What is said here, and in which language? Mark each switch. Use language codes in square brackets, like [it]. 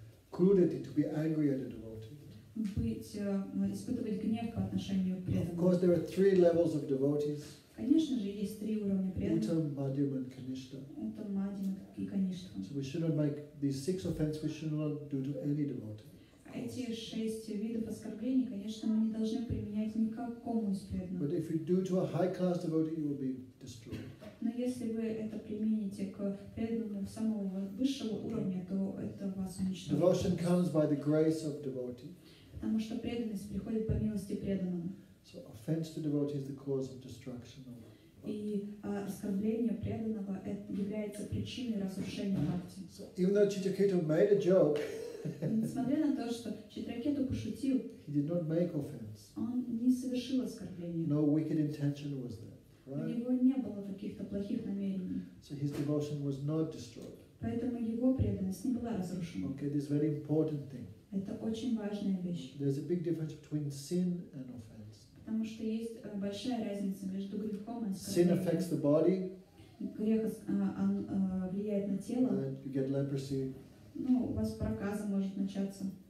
[en] Crudity, to be angry at a devotee. [ru] Быть, испытывать гнев по отношению к преданному. [en] Of course, there are three levels of devotees. [ru] Конечно же, есть три уровня преданных. [en] Uttam, Madhyam, and Kanishtha. [ru] Uttam, Madhyam, и Kanishtha. [en] So we should not make these six offenses. We should not do to any devotee. [ru] Эти шесть видов оскорблений, конечно, мы не должны применять никакому из преданных. [en] But if you do to a high class devotee, you will be destroyed. [ru] Но если вы это примените к преданному самого высшего уровня, то это вас уничтожит. [en] Devotion comes by the grace of devotee. [ru] Потому что преданность приходит по милости преданному. [en] So offense to devotee is the cause of destruction. [ru] И оскорбление преданного является причиной разрушения бхакти. [en] So even though Citraketu made a joke. [ru] Несмотря на то, что Читракету пошутил, [en] he did not make offense. [ru] Он не совершил оскорбления. [en] No wicked intention was there, right? [ru] У него не было каких-то плохих намерений. [en] So his devotion was not destroyed. [ru] Поэтому его преданность не была разрушена. [en] Okay, this is very important thing. [ru] Это очень важная вещь. [en] There's a big difference between sin and offense. [ru] Потому что есть большая разница между грехом и оскорблением. [en] Sin affects the body. [ru] Грех влияет на тело. [en] And you get leprosy. [ru] Ну, у вас проказа может начаться.